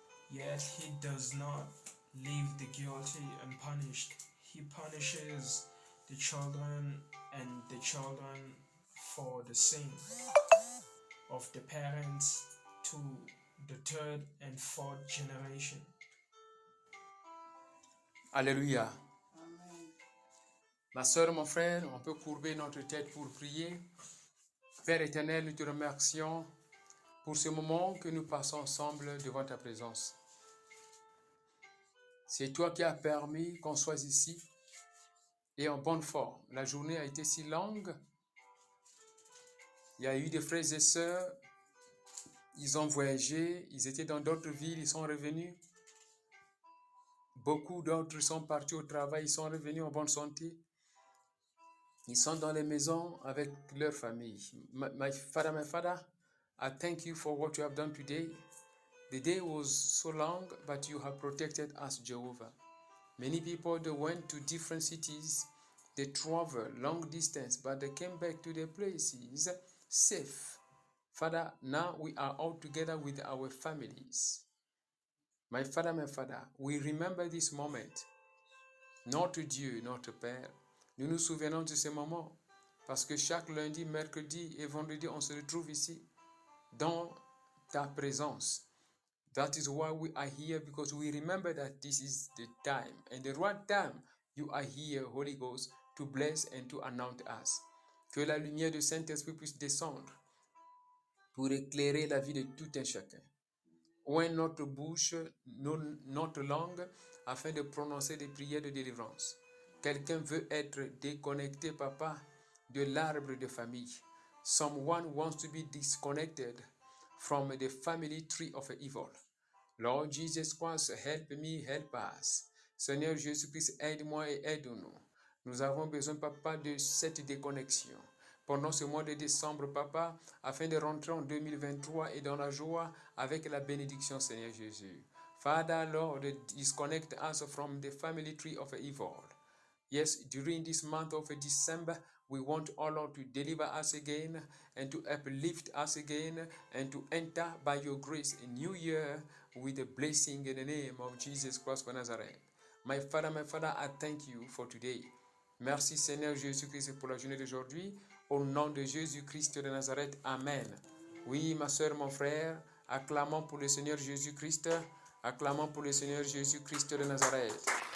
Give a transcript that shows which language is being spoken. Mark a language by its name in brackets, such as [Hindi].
[English] Yet he does not leave the guilty unpunished. He punishes the children and the children for the sin of the parents to the third and fourth generation. Alléluia. Amen. [French] Ma soeur, mon frère, on peut courber notre tête pour prier. Père éternel, nous te remercions pour ce moment que nous passons ensemble devant ta présence. C'est toi qui as permis qu'on soit ici et en bonne forme. La journée a été si longue. Il y a eu des frères et sœurs, ils ont voyagé, ils étaient dans d'autres villes, ils sont revenus. Beaucoup d'autres sont partis au travail, ils sont revenus en bonne santé. Ils sont dans les maisons avec leur famille. [English] My father, I thank you for what you have done today. The day was so long, but you have protected us, Jehovah. Many people went to different cities, they traveled long distance, but they came back to their places safe. Father, now we are all together with our families. My father, we remember this moment. [French] Notre Dieu, notre Père, nous nous souvenons de ce moment parce que chaque lundi, mercredi et vendredi, on se retrouve ici dans ta présence. [English] That is why we are here, because we remember that this is the time and the right time you are here, Holy Ghost, to bless and to anoint us. [French] Que la lumière du Saint-Esprit puisse descendre pour éclairer la vie de tout un chacun. Oint notre bouche, notre langue, afin de prononcer des prières de délivrance. Quelqu'un veut être déconnecté, Papa, de l'arbre de famille. [English] Someone wants to be disconnected from the family tree of evil. Lord Jesus Christ, help me, help us. [French] Seigneur Jésus-Christ, aide-moi et aide-nous. Nous avons besoin, Papa, de cette déconnexion. Pendant ce mois de décembre, Papa, afin de rentrer en 2023 et dans la joie avec la bénédiction, Seigneur Jésus. [English] Father, Lord, disconnect us from the family tree of evil. Yes, during this month of December, we want all Lord to deliver us again and to uplift us again and to enter by your grace a new year with a blessing in the name of Jesus Christ of Nazareth. My father, I thank you for today. [French] Merci Seigneur Jésus-Christ pour la journée d'aujourd'hui. Au nom de Jésus-Christ de Nazareth, amen. Oui, ma soeur, mon frère, acclamons pour le Seigneur Jésus-Christ. Acclamons pour le Seigneur Jésus-Christ de Nazareth.